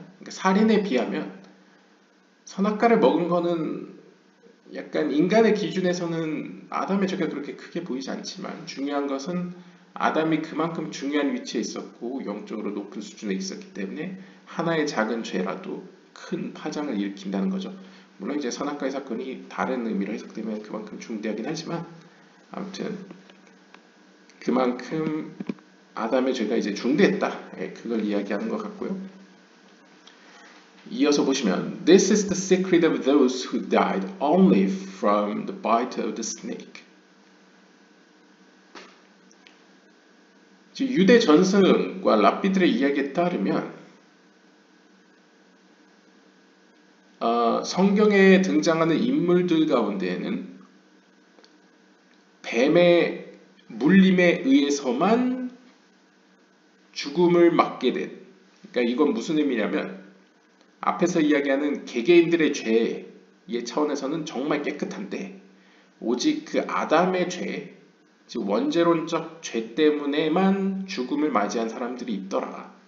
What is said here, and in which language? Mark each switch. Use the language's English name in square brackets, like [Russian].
[Korean] 그러니까 살인에 비하면 선악과를 먹은 거는 약간 인간의 기준에서는 아담의 죄가 그렇게 크게 보이지 않지만 중요한 것은 아담이 그만큼 중요한 위치에 있었고 영적으로 높은 수준에 있었기 때문에 하나의 작은 죄라도 큰 파장을 일으킨다는 거죠. 물론 이제 선악과의 사건이 다른 의미로 해석되면 그만큼 중대하긴 하지만 아무튼 그만큼 아담의 죄가 이제 중대했다. 그걸 이야기하는 것 같고요. 이어서 보시면 [English] This is the secret of those who died only from the bite of the snake. [Korean] 유대 전승과 랍비들의 이야기에 따르면 성경에 등장하는 인물들 가운데에는 뱀의 물림에 의해서만 죽음을 맞게 된, 그러니까 이건 무슨 의미냐면 앞에서 이야기하는 개개인들의 죄의 차원에서는 정말 깨끗한데 오직 그 아담의 죄, 즉 원죄론적 죄 때문에만 죽음을 맞이한 사람들이 있더라.